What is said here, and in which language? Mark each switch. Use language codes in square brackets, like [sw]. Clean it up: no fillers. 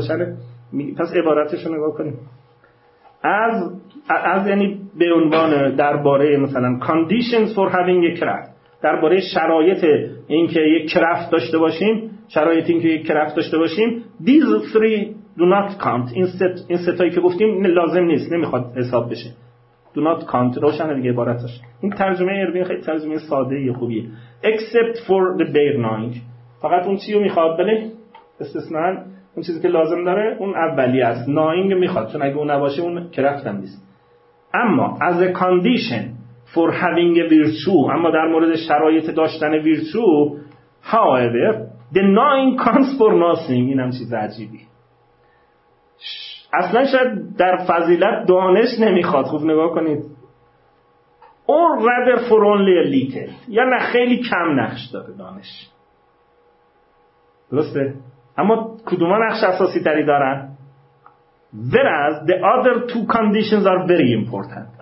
[fa] روشنه؟ پس عبارتش رو نگاه کنیم، از یعنی به عنوان درباره مثلا [en] conditions for having a craft، [fa] درباره شرایط این که یک کرافت داشته باشیم، شرایط این که یک کرافت داشته باشیم، [en] these three do not count، [fa] این ستایی که گفتیم لازم نیست، نمیخواد حساب بشه، [en] do not count. [fa] روشنه دیگه عبارتش؟ این ترجمه اروین خیلی ترجمه ساده یه خوبیه، [en] except for the bare knowing، [fa] فقط اون چی رو میخواد؟ بله استثنان اون چیزی که لازم داره اون اولی است، ناینگ میخواد، چون اگه اون نباشه اون کرافت هم نیست. [en] اما as a condition for having a virtue، [fa] اما در مورد شرایط داشتن virtue، [en] however the knowing counts for nothing. [fa] این هم چیز عجیبی، اصلا شاید در فضیلت دانش نمیخواد، خوب نگاه کنید، [en] اون rather for only little, [fa] یا نه خیلی کم نقش داره دانش، درسته؟ اما کدوم ها نقش اساسی تری دارن؟ [en] Whereas the other two conditions are very important.